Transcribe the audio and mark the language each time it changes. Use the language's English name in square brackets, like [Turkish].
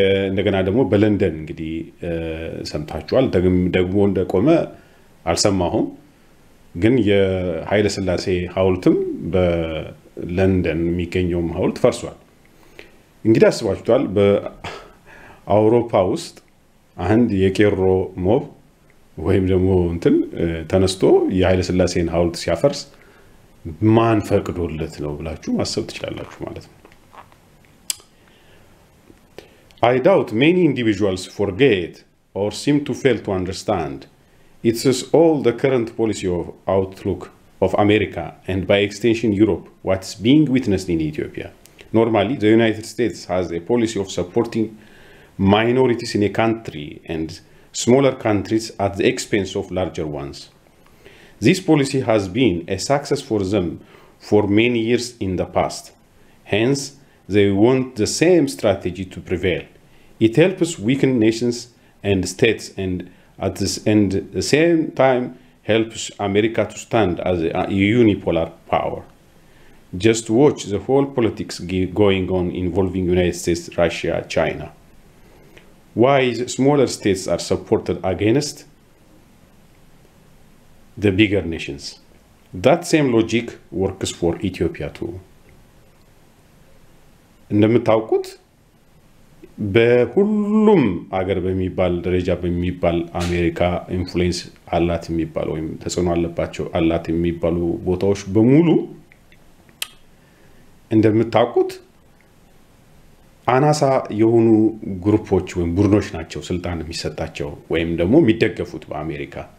[Amharic] እንደገና ደግሞ በለንደን እንግዲህ ሰምታችኋል ደግሞ እንደቆመ አልሰማሁም ግን የኃይለ ሥላሴ ሐውልትም በለንደን የሚገኘው ሐውልት ፈርሷል እንግዲህ አስባችሁታል በአውሮፓ ውስጥ አንድ የቄሮ ሞብ ወይም ደግሞ እንትን ተነስቶ የኃይለ ሥላሴን ሐውልት ሲያፈርስ ማን ፈቅዶለት ነው ብላችሁ ማሰብ ትችላላችሁ ማለት ነው። [English] I doubt many individuals forget or seem to fail to understand it's all the current policy of outlook of America and by extension Europe what's being witnessed in Ethiopia. Normally the United States has a policy of supporting minorities in a country and smaller countries at the expense of larger ones. This policy has been a success for them for many years in the past. Hence, they want the same strategy to prevail. It helps weaken nations and states and at the same time helps America to stand as a unipolar power. Just watch the whole politics going on involving United States, Russia, China. Why smaller states are supported against the bigger nations. That same logic works for Ethiopia too. [Amharic] እንደምታውቁት በሁሉም አገር በሚባል ደረጃ በሚባል አሜሪካ ኢንፍሉዌንስ አላት የሚባል ወይም ተጽዕኖ አለባቸው አላት የሚባሉ ቦታዎች በሙሉ እንደምታውቁት አናሳ የሆኑ ግሩፖች ወይም ቡድኖች ናቸው ስልጣን የሚሰጣቸው ወይም ደግሞ የሚደገፉት በአሜሪካ።